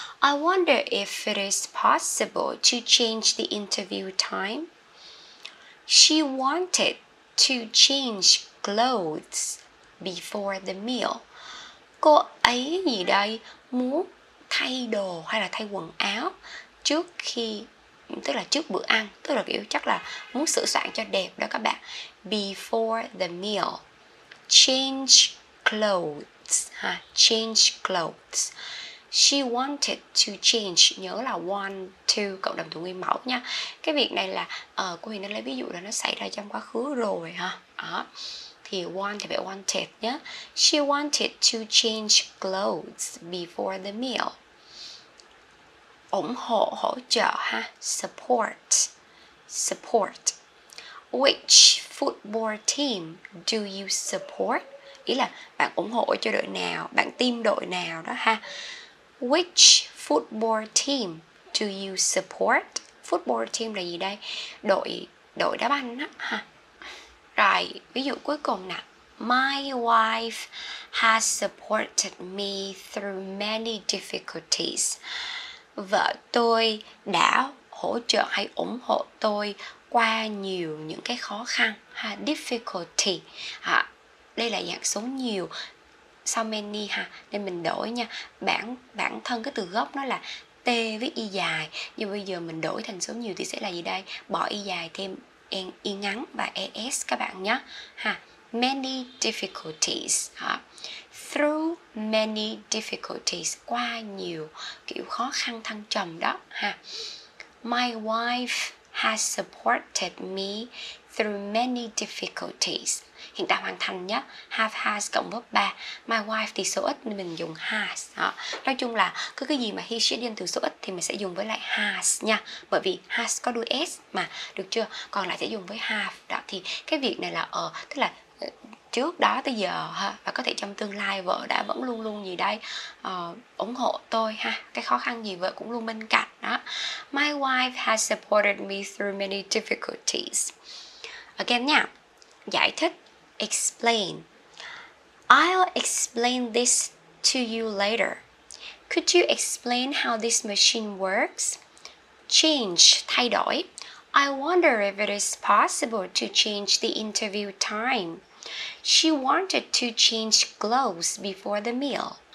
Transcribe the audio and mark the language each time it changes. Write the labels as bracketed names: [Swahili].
[English] I wonder if it is possible to change the interview time. She wanted to change clothes before the meal. [Vietnamese] Cô ấy gì đây, muốn thay đồ hay là thay quần áo trước khi, tức là trước bữa ăn, tức là kiểu chắc là muốn sửa soạn cho đẹp đó các bạn. [English] Before the meal, change clothes. Change clothes. She wanted to change. [Vietnamese] Nhớ là want to cộng đồng từ nguyên mẫu nha. Cái việc này là cô Huyền đã lấy ví dụ là nó xảy ra trong quá khứ rồi ha. Thì want thì phải wanted nhé. [English] She wanted to change clothes before the meal. [Vietnamese] Ủng hộ, hỗ trợ ha. [English] Support. Support. Which football team do you support? [Vietnamese] Ý là bạn ủng hộ cho đội nào, bạn team đội nào đó ha. [English] Which football team do you support? [Vietnamese] Football team là gì đây? Đội đá banh á ha. Rồi, ví dụ cuối cùng nè. [English] My wife has supported me through many difficulties. [Vietnamese] Vợ tôi đã hỗ trợ hay ủng hộ tôi qua nhiều những cái khó khăn ha. Difficulty ha. Đây là dạng số nhiều, so many ha, nên mình đổi nha. Bản thân cái từ gốc nó là T với Y dài, nhưng bây giờ mình đổi thành số nhiều thì sẽ là gì đây? Bỏ Y dài thêm Y ngắn và ES các bạn nhé. [English] Many difficulties ha. Through many difficulties, [Vietnamese] qua nhiều kiểu khó khăn thăng trầm đó ha. [English] My wife has supported me through many difficulties. [Vietnamese] Hiện tại hoàn thành nhé. Have has cộng verb 3. My wife thì số ít nên mình dùng has. Đó. Nói chung là cứ cái gì mà he, she đem từ số ít thì mình sẽ dùng với lại has nha. Bởi vì has có đuôi s mà. Được chưa? Còn lại sẽ dùng với have. Đó. Thì cái việc này là ở, tức là trước đó tới giờ ha, và có thể trong tương lai vợ đã vẫn luôn luôn gì đây ủng hộ tôi ha, cái khó khăn gì vợ cũng luôn bên cạnh đó. [English] My wife has supported me through many difficulties. [Vietnamese] Again nha, giải thích, explain. [English] I'll explain this to you later. Could you explain how this machine works? Change, [Vietnamese] thay đổi. [English] I wonder if it is possible to change the interview time. She wanted to change clothes before the meal.